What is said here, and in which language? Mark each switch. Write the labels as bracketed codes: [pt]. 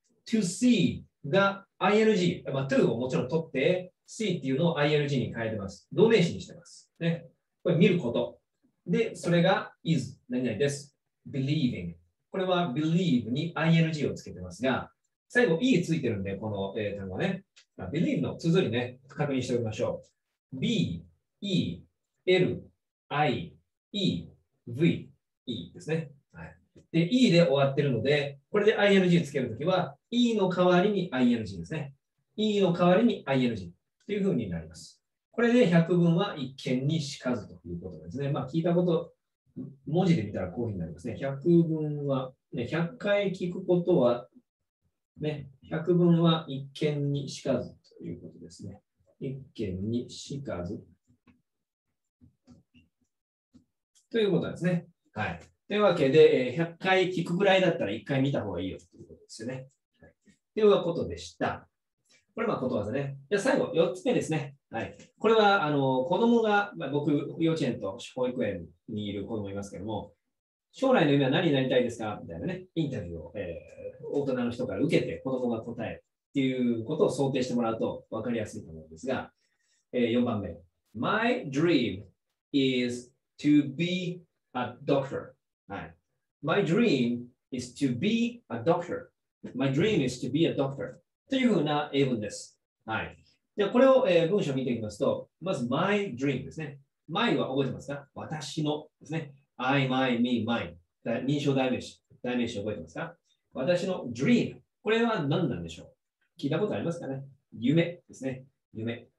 [ja] to see が ing、まあ、to をもちろん取って、C っていうのを ILG に変えてます。同名詞にしてます。ね。これ見ること。で、それが is 何々です。believing。これは believe に ING をつけてますが、最後、E ついてるんで、この単語ね。Believe の綴りね、確認しておきましょう。 B, E, L, I, E, V, E ですね、はい。で、E で終わってるので、これで ING つけるときは、E の代わりに ING ですね。 E の代わりに ING というふうになります。これで百聞は一見にしかずということですね。まあ、聞いたこと、文字で見たらこういうふうになりますね。百聞は、ね、百回聞くことは、ね、百聞は一見にしかずということですね。一見にしかず。ということですね。はい。というわけで、100回聞くぐらいだったら1回見た方がいいよということですよね。はい、ということでした。これはことわざね。じゃあ最後、4つ目ですね。はい。これは、子供が、まあ、僕、幼稚園と保育園にいる子供いますけども、将来の夢は何になりたいですかみたいなね、インタビューを、大人の人から受けて子供が答えるっていうことを想定してもらうと分かりやすいと思うんですが、4番目。 [en] My dream is to be a doctor. [ja] はい。 [en] My dream is to be a doctor. My dream is to be a doctor. [ja] というふうな英文です。はい。じゃこれを、文章を見ていきますと、まず my dream ですね。 my は覚えてますか？私のですね。I, my, me, mine。 認証代名詞。代名詞覚えてますか？私の dream。これは何なんでしょう？聞いたことありますかね？夢ですね。夢。